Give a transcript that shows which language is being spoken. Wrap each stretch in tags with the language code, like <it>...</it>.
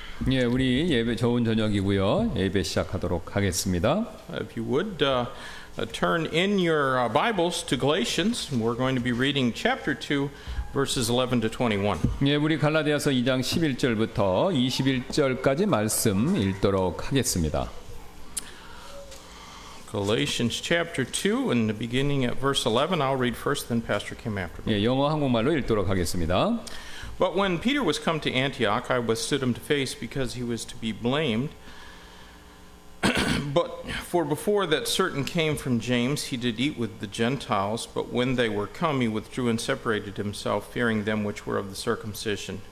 <ko>예, 우리 예배 좋은 저녁이고요. 예배 시작하도록 하겠습니다.</ko> <en>If you would turn in your Bibles to Galatians, we're going to be reading chapter 2 verses 11 to 21.</en> <ko>예, 우리 갈라디아서 2장 11절부터 21절까지 말씀 읽도록 하겠습니다.</ko> <en>Galatians chapter 2 and the beginning at verse 11. I'll read first then Pastor Kim after me.</en> <ko>예, 영어 한국말로 읽도록 하겠습니다.</ko> <en>But when Peter was come to Antioch, I withstood him to face, because he was to be blamed. But for before that certain came from James, he did eat with the Gentiles. But when they were come, he withdrew and separated himself, fearing them which were of the circumcision.</en>